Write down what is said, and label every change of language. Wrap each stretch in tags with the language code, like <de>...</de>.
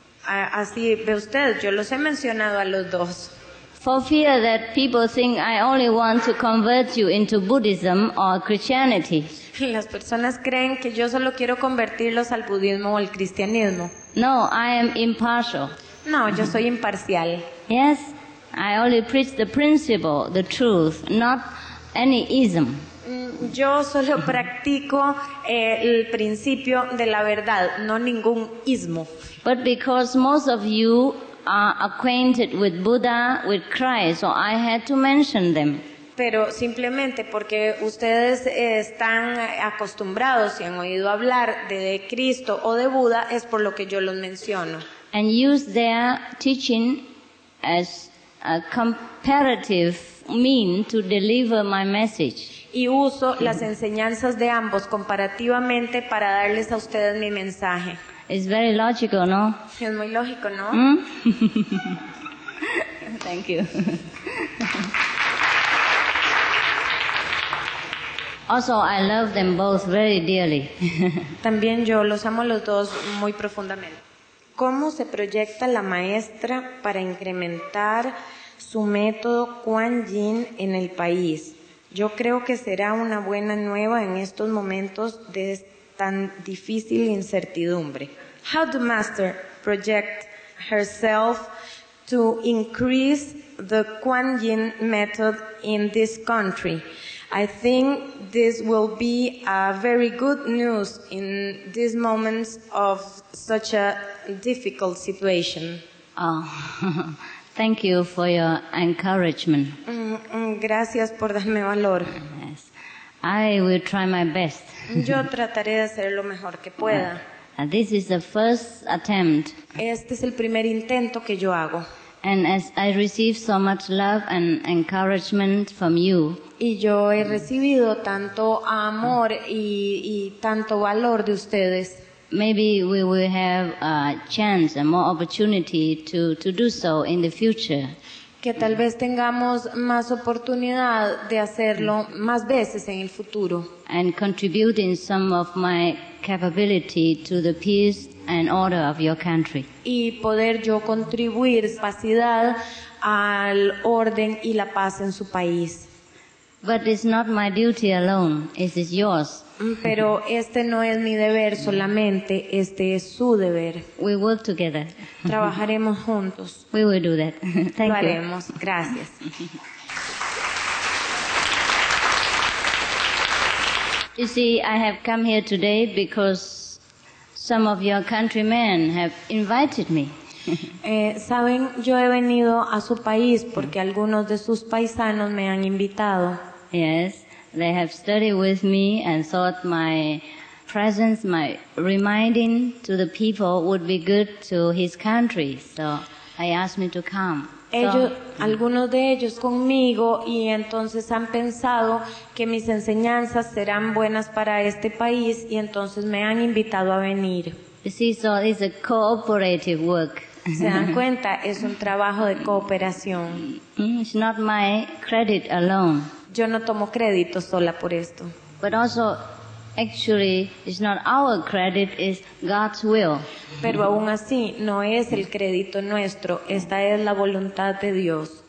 <es>Así ve usted, yo los he mencionado a los dos.</es> <en>For fear that people think I only want to convert you into Buddhism or Christianity.</en> <es>Las personas creen que yo solo quiero convertirlos al budismo o al cristianismo.</es> <en>No, I am impartial.</en> <es>No, yo soy imparcial.</es> <en>Yes, I only preach the principle, the truth, not any ism.</en> <es>Yo solo practico el principio de la verdad, no ningún ismo.</es> <en>But because most of you are acquainted with Buddha, with Christ, so I had to mention them.</en> <es>Pero simplemente porque ustedes están acostumbrados y han oído hablar de Cristo o de Buda, es por lo que yo los menciono.</es> <en>And use their teaching as a comparative mean to deliver my message.</en> <es>Y uso las enseñanzas de ambos comparativamente para darles a ustedes mi mensaje.</es> <en>It's very logical, no?</en> <es>Es muy lógico, ¿no? Mm?</es> <en>Thank you. Also, I love them both very dearly.</en> <es>También yo los amo los dos muy profundamente. ¿Cómo se proyecta la maestra para incrementar su método Kuan Yin en el país? Yo creo que será una buena nueva en estos momentos de tan difícil incertidumbre.</es> <en>How the master project herself to increase the Kuan Yin method in this country? I think this will be a very good news in these moments of such a difficult situation. Oh, thank you for your encouragement.</en> <es>Gracias por darme valor.</es> <en>Yes. I will try my best.</en> <es>Yo trataré de hacer lo mejor que pueda.</es> <en>This is the first attempt.</en> <es>Este es el primer intento que yo hago.</es> <en>And as I receive so much love and encouragement from you.</en> <es>Y yo he recibido tanto amor y tanto valor de ustedes.</es> <en>Maybe we will have a chance and more opportunity to do so in the future.</en> <es>Que tal vez tengamos más oportunidad de hacerlo más veces en el futuro.</es> <en>And contributing some of my capability to the peace and order of your country.</en> <es>Y poder yo contribuir capacidad al orden y la paz en su país.</es> <en>But it's not my duty alone, it is yours.</en> <es>Pero este no es mi deber solamente, este es su deber.</es> <en>We work together.</en> <es>Trabajaremos juntos.</es> <en>We will do that. Thank you.</en> <es>Lo haremos. Gracias.</es> <en>You see, I have come here today because some of your countrymen have invited me.</en> <es>Saben, yo he venido a su país porque algunos de sus paisanos me han invitado.</es> <en>Yes. They have studied with me and thought my presence, my reminding to the people would be good to his country. So they asked me to come.</en> <es>Ellos, algunos de ellos conmigo, y entonces han pensado que mis enseñanzas serán buenas para este país, y entonces me han invitado a venir.</es> <en>You see, so it's a cooperative work.</en> <es>Se dan cuenta, es un trabajo de cooperación.</es> <en>It's not my credit alone.</en> <es>Yo no tomo crédito sola por esto.</es> <en>But also, actually, it's not our credit, it's God's will.</en> <es>Pero aún así, no es el crédito nuestro, esta es la voluntad de Dios.</es>